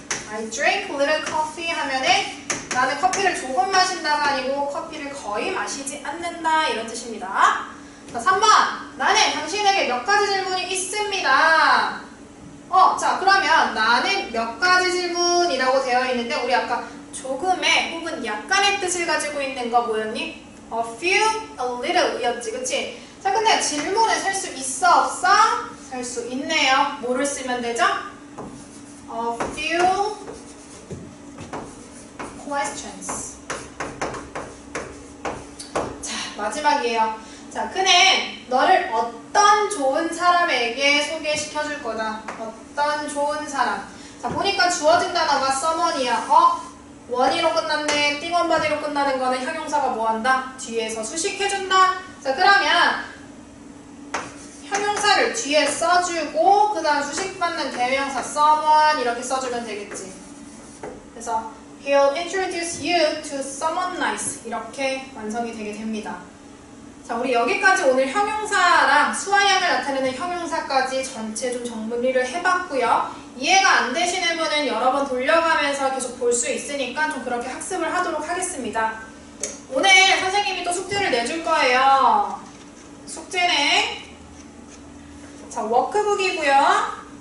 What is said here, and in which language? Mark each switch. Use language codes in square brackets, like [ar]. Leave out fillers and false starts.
[en] I drink little coffee [ko] 하면은 나는 커피를 조금 마신다가 아니고 커피를 거의 마시지 않는다 이런 뜻입니다. 자, 3번. 나는 당신에게 몇 가지 질문이 있습니다. 자, 그러면 나는 몇 가지 질문이라고 되어 있는데 우리 아까 조금의 혹은 약간의 뜻을 가지고 있는 거 뭐였니? A few, a little 였지, 그치? 자, 근데 질문을 셀 수 있어, 없어? 셀 수 있네요. 뭐를 쓰면 되죠? A few questions. 자, 마지막이에요. 자, 그는 너를 어떤 좋은 사람에게 소개시켜줄 거다. 어떤 좋은 사람. 자, 보니까 주어진 단어가 someone이야. 원이로 끝났네. 띵원바디로 끝나는 거는 형용사가 뭐한다? 뒤에서 수식해준다. 자, 그러면 형용사를 뒤에 써주고 그 다음 수식받는 대명사 someone 이렇게 써주면 되겠지. [en] 그래서 he'll introduce you to someone nice [ko] 이렇게 완성이 되게 됩니다. 자, 우리 여기까지 오늘 형용사랑 수화형을 나타내는 형용사까지 전체 좀 정리를 해봤고요. 이해가 안 되시는 분은 여러 번 돌려가면서 계속 볼 수 있으니까 좀 그렇게 학습을 하도록 하겠습니다. 오늘 선생님이 또 숙제를 내줄 거예요. 숙제는 자, 워크북이고요.